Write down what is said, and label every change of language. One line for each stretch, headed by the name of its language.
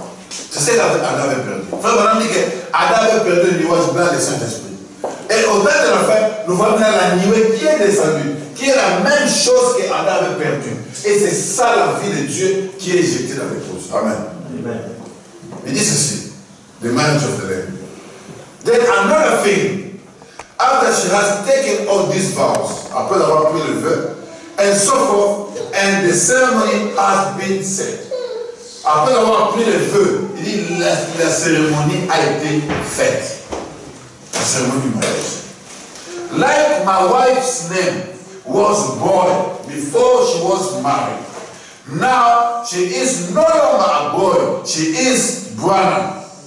French: C'est ce qu'Adam avait perdu. Frère dit que Adam avait perdu le nuage blanc des Saint-Esprit. Et au temps de la fin, nous voyons dans la nuée qui est descendue, qui est la même chose qu'Adam avait perdu. Et c'est ça la vie de Dieu qui est jetée dans les choses. Amen. Il dit ceci,
English: the marriage of the Lamb. Then another thing, after she has taken all these vows,
French: après avoir pris le vœu,
English: and so forth, and the ceremony has been said.
French: Après avoir pris le vœu, il dit la cérémonie a été faite. La cérémonie du mariage.
English: Like my wife's name was boy before she was married. Now she is no longer a boy, she is Branham.